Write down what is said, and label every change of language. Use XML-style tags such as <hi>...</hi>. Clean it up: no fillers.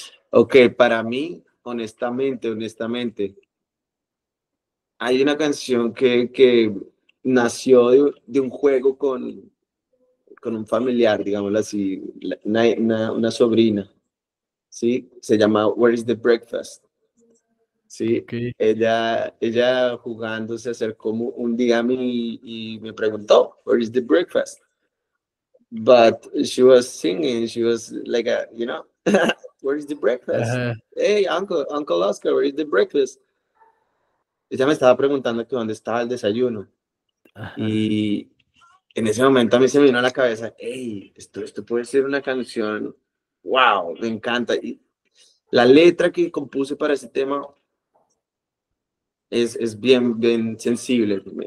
<es>Ok, para mí, honestamente, hay una canción que nació de un juego con un familiar, digámoslo así, una sobrina, ¿sí? Se llama Where is the Breakfast? Sí, okay. Ella jugando se acercó un día a mí y me preguntó,</es> <en>where is the breakfast? But she was singing, she was like, where is the breakfast? Uh-huh. Hey, Uncle Oscar, where is the breakfast?</en> <es>Ella me estaba preguntando que dónde estaba el desayuno. Uh-huh. Y en ese momento a mí se me vino a la cabeza, hey, esto puede ser una canción, wow, me encanta. Y la letra que compuse para ese tema es bien, bien sensible.</es>